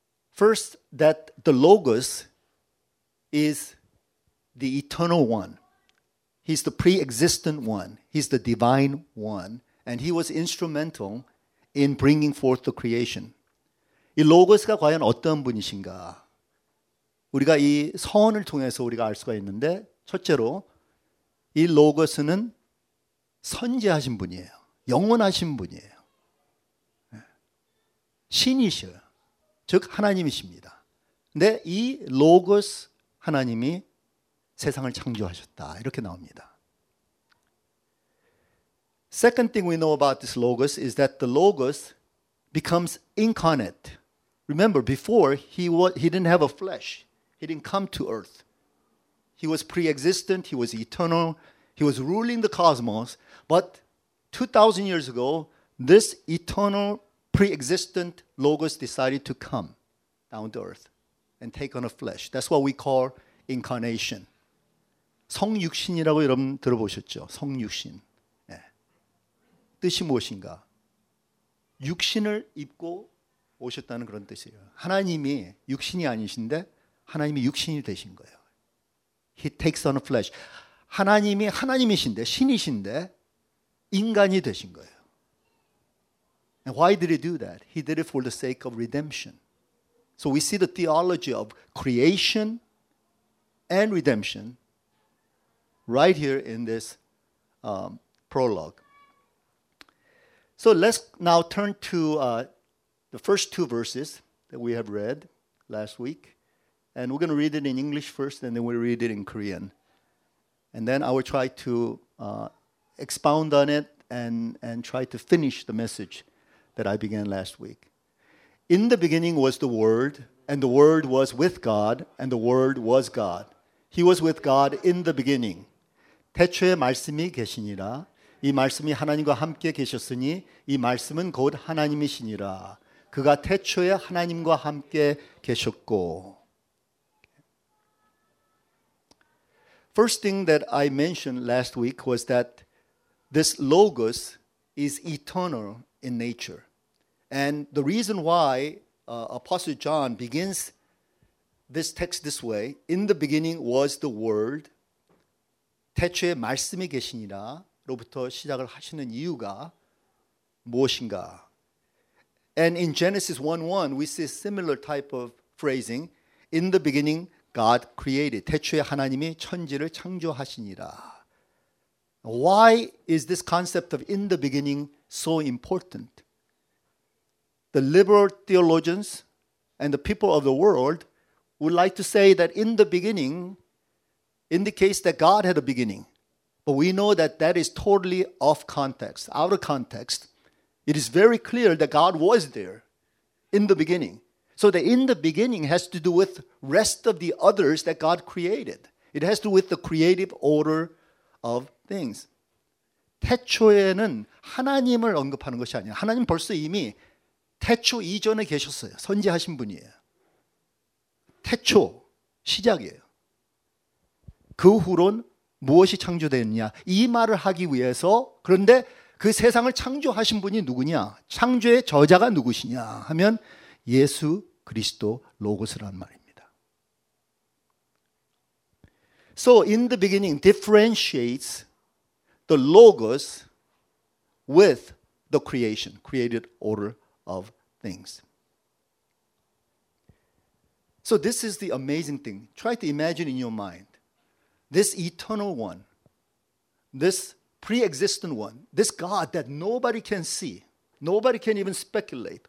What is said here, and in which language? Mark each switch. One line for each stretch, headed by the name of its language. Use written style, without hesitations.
English: First, that the Logos is the eternal one. He's the pre-existent one. He's the divine one. And he was instrumental in bringing forth the creation.
Korean: 이 로고스가 과연 어떤 분이신가? 우리가 이 선언을 통해서 우리가 알 수가 있는데 첫째로 이 로고스는 선재하신 분이에요. 영원하신 분이에요. 신이셔요. 즉 하나님이십니다. 근데 이 로고스 하나님이 세상을 창조하셨다. 이렇게 나옵니다.
English: Second thing we know about this Logos is that the Logos becomes incarnate. Remember, before, he didn't have a flesh. He didn't come to earth. He was pre-existent. He was eternal. He was ruling the cosmos. But 2,000 years ago, this eternal pre-existent Logos decided to come down to earth and take on a flesh. That's what we call incarnation.
Korean: 성육신이라고 여러분 들어보셨죠? 성육신. 네. 뜻이 무엇인가? 육신을 입고 오셨다는 그런 뜻이에요. 하나님이 육신이 아니신데 하나님이 육신이 되신 거예요.
English: He takes on a flesh.
Korean: 하나님이 하나님이신데 신이신데 인간이 되신 거예요.
English: And why did he do that? He did it for the sake of redemption. So we see the theology of creation and redemption right here in this prologue. So let's now turn to the first two verses that we have read last week. And we're going to read it in English first, and then we'll read it in Korean. And then I will try to expound on it and try to finish the message that I began last week. In the beginning was the Word, and the Word was with God, and the Word was God. He was with God in the beginning.
Korean: 태초에 말씀이 계시니라. 이 말씀이 하나님과 함께 계셨으니 이 말씀은 곧 하나님이시니라. 그가 태초에 하나님과 함께 계셨고.
English: First thing that I mentioned last week was that this Logos is eternal in nature. And the reason why Apostle John begins this text this way, in the beginning was the Word,
Korean: 태초에 말씀이 계시니라로부터 시작을 하시는 이유가 무엇인가?
English: And in Genesis 1:1, we see a similar type of phrasing. In the beginning, God created.
Korean: 태초에 하나님이 천지를 창조하시니라.
English: Why is this concept of in the beginning so important? The liberal theologians and the people of the world would like to say that in the beginning indicates that God had a beginning. But we know that that is totally off context, out of context. It is very clear that God was there in the beginning. So the in the beginning has to do with rest of the others that God created. It has to do with the creative order of things.
Korean: 태초에는 하나님을 언급하는 것이 아니에요. 하나님 벌써 이미 태초 이전에 계셨어요. 선지하신 분이에요. 태초, 시작이에요. 그 후론 무엇이 창조되었냐. 이 말을 하기 위해서 그런데 그 세상을 창조하신 분이 누구냐. 창조의 저자가 누구시냐 하면 예수 그리스도 로고스라는 말입니다.
English: So in the beginning differentiates the logos with the creation, created order of things. So this is the amazing thing. Try to imagine in your mind, this eternal one, this pre-existent one, this God that nobody can see, nobody can even speculate.